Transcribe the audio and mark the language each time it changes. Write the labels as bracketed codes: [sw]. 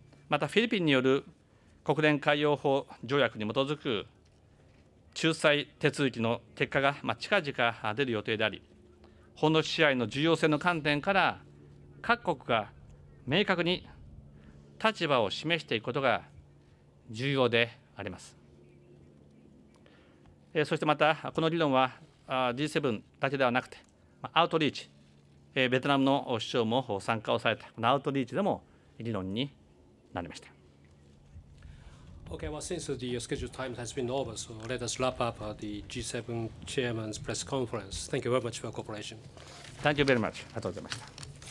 [ja] またフィリピンによる国連海洋法条約に基づく仲裁手続きの結果が近々出る予定であり、法の支配の重要性の観点から各国が明確に立場を示していくことが重要であります。そしてまたこの議論は G7 だけではなくてアウトリーチ、ベトナムの首相も参加をされたこのアウトリーチでも議論になりました。 [en] Okay, well, since the scheduled time has been over, so let us wrap up the G7 Chairman's press conference. Thank you very much for your cooperation. Thank you very much. [ja] ありがとうございました。